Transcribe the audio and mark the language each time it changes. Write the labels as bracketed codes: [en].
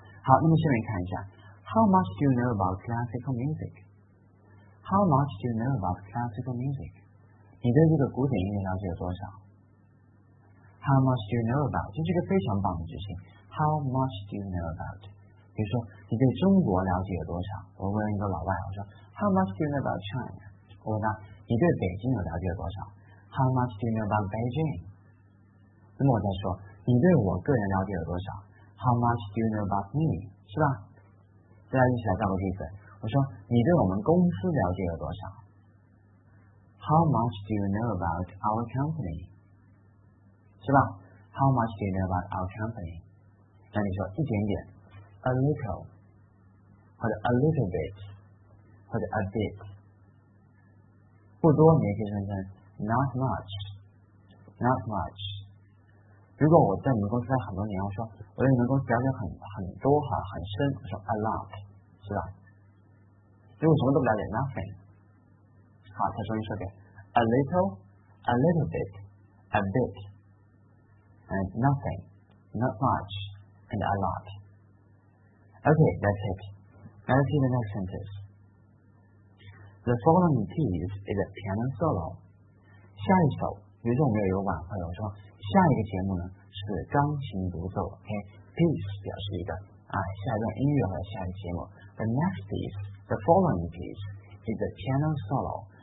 [zh] 好，那么下面看一下 [en] How much do you know about classical music? How much do you know about classical music? [zh] 你对这个古典音乐了解有多少？ [en] How much do you know about? [zh] 这是一个非常棒的句型。 [en] How much do you know about? [zh] 比如说你对中国了解有多少，我问一个老外，我说 [en] How much do you know about China? [zh] 我问他你对北京有了解有多少？ [en] How much do you know about Beijing? [zh] 那么我再说你对我个人了解有多少？ [en] How much do you know about me? [zh] 是吧？大家一起来造个句子。我说，你对我们公司了解有多少？ [en] How much do you know about our company? [zh] 是吧？ [en] How much do you know about our company? [zh] 那你说一点点， [en] a little， [zh] 或者 [en] a little bit， [zh] 或者 [en] a bit， [zh] 不多，你也可以说成 [en] not much， not much。 [zh] 如果我在你们公司待很多年，我说我在你们公司了解很多很深，我说 [en] a lot， [zh] 是吧？如果什么都不了解 [en] ，nothing。 [zh] 好，再重新说一遍 [en] ，a little， a little bit， a bit， and nothing， not much， and a lot。Okay， that's it。 Let's see the next sentence。 The following piece is a piano solo。 [zh] 下一首，比如说我们有一个晚会，我说。下一个节目呢是钢琴独奏 ，piece 表示一个啊，下一段音乐和下一个节目。 [en] The next piece, the following piece is a piano solo.